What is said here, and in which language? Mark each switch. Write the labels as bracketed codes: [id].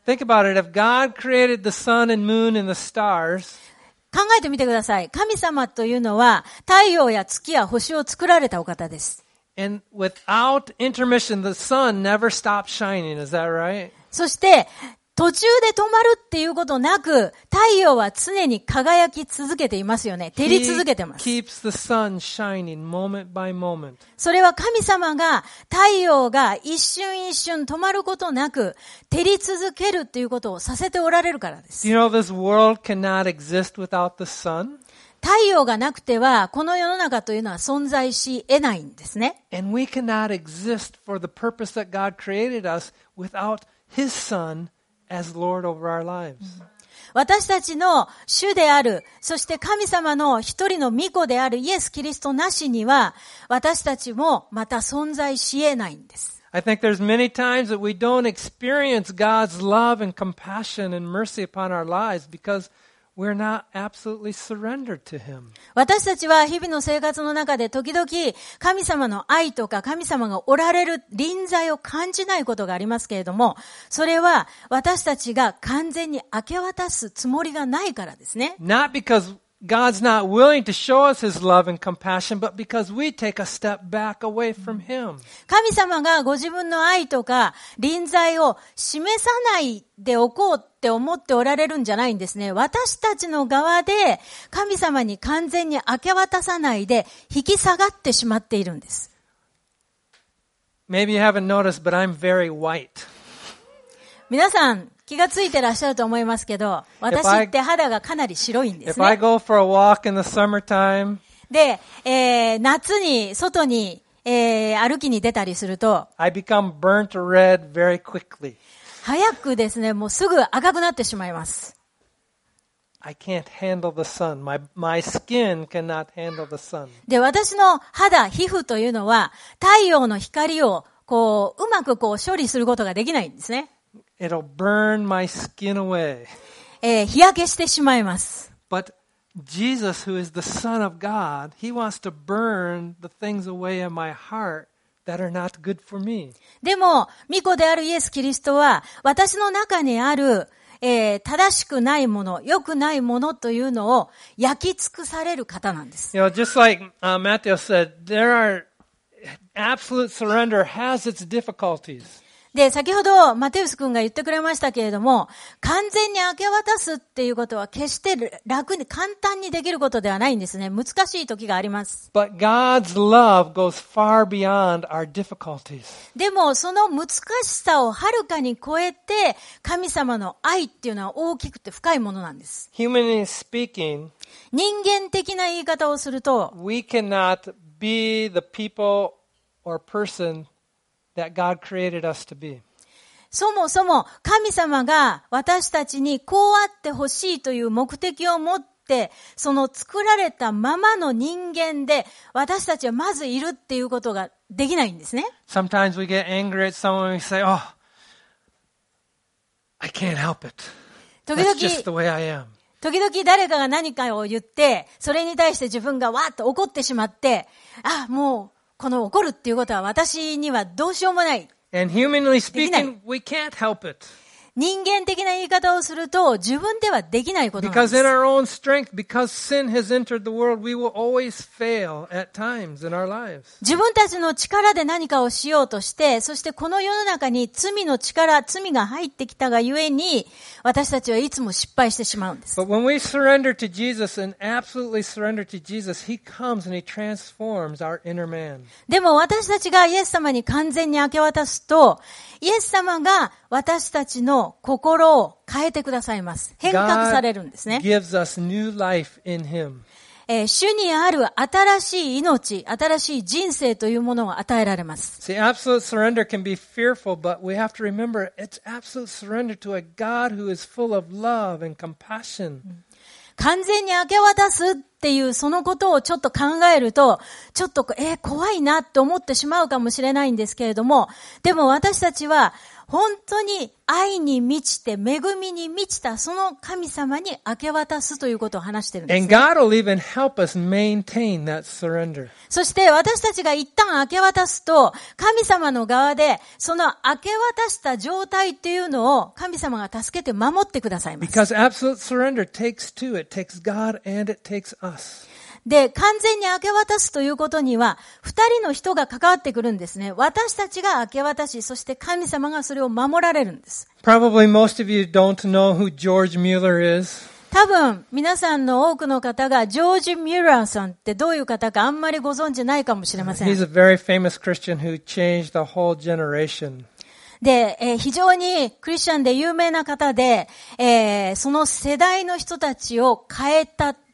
[en] Think about it. If God created the sun and moon and the stars, [ja] 考えてみてください。神様というのは太陽や月や星を作られたお方です。 [en] And without intermission, the sun never stopped shining. Is that right? [ja] そして途中で止まるっていうことなく、太陽は常に輝き続けていますよね。照り続けてます。 [en] He keeps the sun shining moment by moment. [ja] それは神様が太陽が一瞬一瞬止まることなく、照り続けるっていうことをさせておられるからです。 [en] You know, this world cannot exist without the sun. [ja] 太陽がなくてはこの世の中というのは存在し得ないんですね。 [en] And we cannot exist for the purpose that God created us without His Son as Lord over our lives. [ja] 私たちの主であるそして神様の一人の御子であるイエス・キリストなしには私たちもまた存在し得ないんです。 [en] I think there's many times that we don't experience God's love and compassion and mercy upon our lives because we're not absolutely surrendered to Him. [ja] 私たちは日々の生活の中で時々神様の愛とか神様がおられる臨在を感じないことがありますけれども、それは私たちが完全に明け渡すつもりがないからですね。 [en] Not because God's not willing to show us His love and compassion, but because we take a step back away from Him. [ja] 神様がご自分の愛とか臨在を示さないでおこうって思っておられるんじゃないんですね。私たちの側で神様に完全に明け渡さないで引き下がってしまっているんです。 [en] Maybe you haven't noticed, but I'm very white. [ja] 皆さん、気がついてらっしゃると思いますけど、私って肌がかなり白いんですね。 [en] If I go for a walk in the summertime, [ja] で、夏に外に、歩きに出たりすると、 [en] I become burnt red very quickly. [ja] 早くですね、もうすぐ赤くなってしまいます。 [en] I can't handle the sun. My skin cannot handle the sun. [ja] で、私の肌、皮膚というのは太陽の光をこう、うまくこう処理することができないんですね。 [en] It'll burn my skin away. [ja] 日焼けしてしまいます。 [en] But Jesus, who is the Son of God, He wants to burn the things away in my heart that are not good for me. [ja] でも、御子であるイエス・キリストは、私の中にある、正しくないもの、良くないものというのを焼き尽くされる方なんです。 [en] You know, just like, Matthew said, there are, absolute surrender has its difficulties. [ja] で先ほどマテウス君が言ってくれましたけれども、完全に明け渡すっていうことは決して楽に簡単にできることではないんですね。難しい時があります。 [en] But God's love goes far beyond our difficulties. [ja] でもその難しさをはるかに超えて神様の愛っていうのは大きくて深いものなんです。 [en] Humanly speaking, [ja] 人間的な言い方をすると、 [en] we cannot be the people or personThat God created us to be. [ja] そもそも神様が私たちにこうあってほしいという目的を持ってその作られたままの人間で私たちはまずいるっていうことができないんですね。 [en] Sometimes we get angry at someone and we say, Oh, I can't help it. That's just the way I am. [ja] 時々誰かが何かを言ってそれに対して自分がわーっと怒ってしまって、あ、もうこの怒るっていうことは私にはどうしようもない。 [en] And humanly speaking, we can't help it. [ja] 人間的な言い方をすると自分ではできないことなんです。 [en] Because in our own strength, because sin has entered the world, we will always fail at times in our lives. [ja] 自分たちの力で何かをしようとして、そしてこの世の中に罪の力、罪が入ってきたがゆえに私たちはいつも失敗してしまうんです。 [en] But when we surrender to Jesus and absolutely surrender to Jesus, He comes and He transforms our inner man. [ja] でも私たちがイエス様に完全に明け渡すと、イエス様が私たちの心を変えてくださいます。変革されるんですね。 [en] God gives us new life in Him. [ja] 主にある新しい命、新しい人生というものを与えられます。 [en] See, absolute surrender can be fearful, but we have to remember it's absolute surrender to a God who is full of love and compassion. [ja] 完全に明け渡す。っていうそのことをちょっと考えるとちょっと怖いなって思ってしまうかもしれないんですけれども、でも私たちは本当に愛に満ちて恵みに満ちたその神様に明け渡すということを話しているんです。 [en] And God will even help us maintain that surrender. [ja] そして私たちが一旦明け渡すと神様の側でその明け渡した状態っていうのを神様が助けて守ってくださいます。 [en] Because absolute surrender takes two. It takes God and it takes us. [ja] で、完全に明け渡すということには、二人の人が関わってくるんですね。私たちが明け渡し、そして神様がそれを守られるんです。 [en] Probably most of you don't know who George Mueller is. [ja] 多分、皆さんの多くの方が、ジョージ・ミューラーさんってどういう方かあんまりご存じないかもしれません。 [en] He's a very famous Christian who changed the whole generation. [ja] で、非常にクリスチャンで有名な方で、その世代の人たちを変えた